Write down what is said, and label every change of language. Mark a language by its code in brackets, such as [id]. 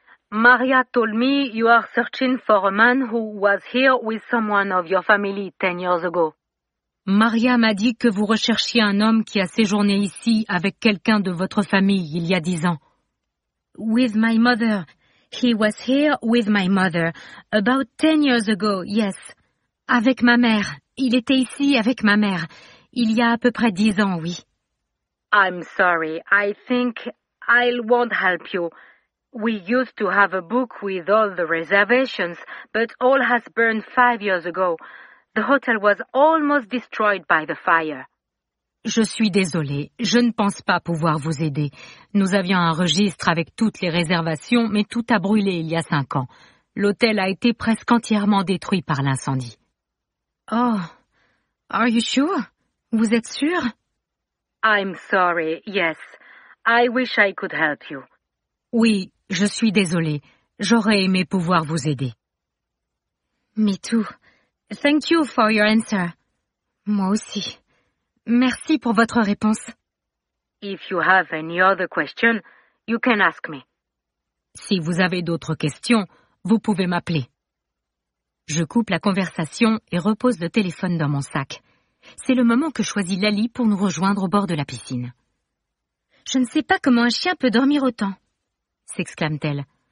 [en] Maria told me you are searching for a man who was here with someone of your family 10 years ago. [fr] Maria m'a dit que vous recherchiez un homme qui a séjourné ici avec quelqu'un de votre famille il y a 10 ans. [en] With my mother. He was here with my mother about 10 years ago, yes. [fr] Avec ma mère. Il était ici avec ma mère. Il y a à peu près 10 ans, oui. [en] I'm sorry. I think I won't help you. We used to have a book with all the reservations, but all has burned 5 years ago. The hotel was almost destroyed by the fire. [fr] Je suis désolée. Je ne pense pas pouvoir vous aider. Nous avions un registre avec toutes les réservations, mais tout a brûlé il y a 5 ans. L'hôtel a été presque entièrement détruit par l'incendie. [en] Oh, are you sure? [fr] Vous êtes sûre? [en] I'm sorry, yes. I wish I could help you. [fr] Oui, je suis désolée. J'aurais aimé pouvoir vous aider. [en] Me too. Thank you for your answer. [fr] Moi aussi. Merci pour votre réponse. [en] If you have any other question, you can ask me. [fr] Si vous avez d'autres questions, vous pouvez m'appeler. Je coupe la conversation et repose le téléphone dans mon sac. C'est le moment que choisit Lali pour nous rejoindre au bord de la piscine. Je ne sais pas comment un chien peut dormir autant, s'exclame-t-elle.